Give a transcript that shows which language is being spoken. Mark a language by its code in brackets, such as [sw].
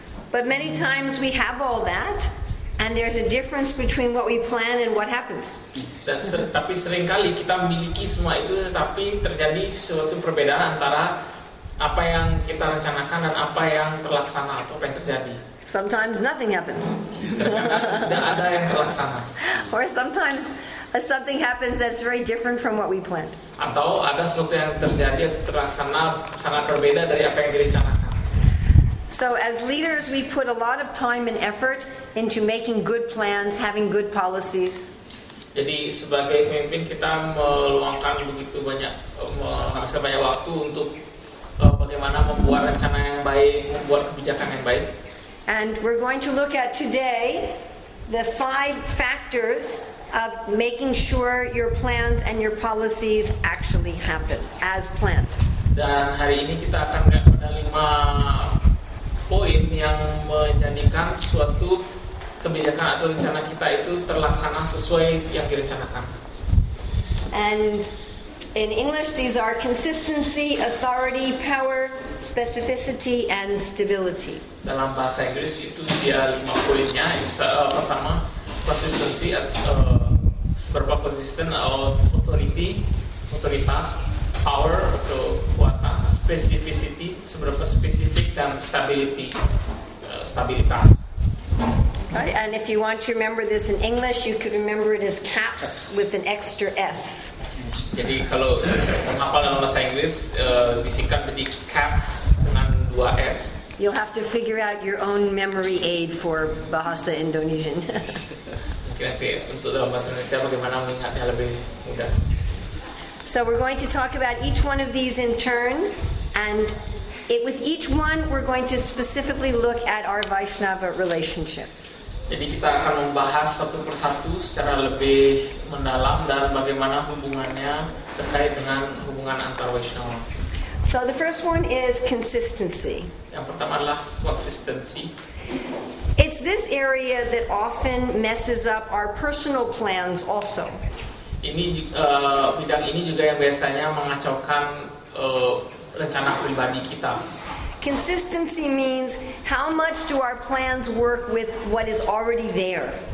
[en] But many times we have all that, and there's a difference between what we plan and what happens. [id] Tapi sering kali kita memiliki semua itu, tetapi terjadi suatu perbedaan antara apa yang kita rencanakan dan apa yang terlaksana atau apa yang terjadi. [en] Sometimes nothing happens. [id] Tidak ada yang terlaksana. [en] Or sometimes something happens that's very different from what we planned. [id] Atau ada sesuatu yang terjadi terlaksana sangat berbeda dari apa yang direncanakan. [en] So as leaders, we put a lot of time and effort into making good plans, having good policies. [id] Jadi sebagai pemimpin kita meluangkan begitu banyak, menghabiskan banyak waktu untuk bagaimana membuat rencana yang baik, membuat kebijakan yang baik. [en] And we're going to look at today the 5 factors of making sure your plans and your policies actually happen as planned. [id] Dan hari ini kita akan melihat pada 5 poin yang menjadikan suatu kebijakan atau rencana kita itu terlaksana sesuai yang direncanakan. [en] And in English, these are consistency, authority, power, specificity, and stability. [id] Dalam bahasa Inggris itu dia 5 poinnya. Pertama, consistency, seberapa konsisten, authority, otoritas, power atau kekuatan, specificity, seberapa spesifik, dan stability, stabilitas. [en] Right, and if you want to remember this in English, you could remember it as CAPS with an extra S. [id] Jadi kalau menghafal dalam bahasa Inggris disingkat menjadi CAPS dengan 2 S. [en] You'll have to figure out your own memory aid for bahasa Indonesian. [id] Mungkin nanti untuk dalam bahasa Indonesia bagaimana mengingatnya lebih mudah. [en] So we're going to talk about each one of these in turn, and with each one we're going to specifically look at our Vaishnava relationships. [id] Jadi kita akan membahas satu persatu secara lebih mendalam dan bagaimana hubungannya terkait dengan hubungan antar Vaishnava. [en] So the first one is consistency. [id] Yang pertama adalah consistency. [en] It's this area that often messes up our personal plans also. [id] Ini bidang ini juga yang biasanya mengacaukan rencana pribadi kita. [en] Consistency means how much do our plans work with what is already there.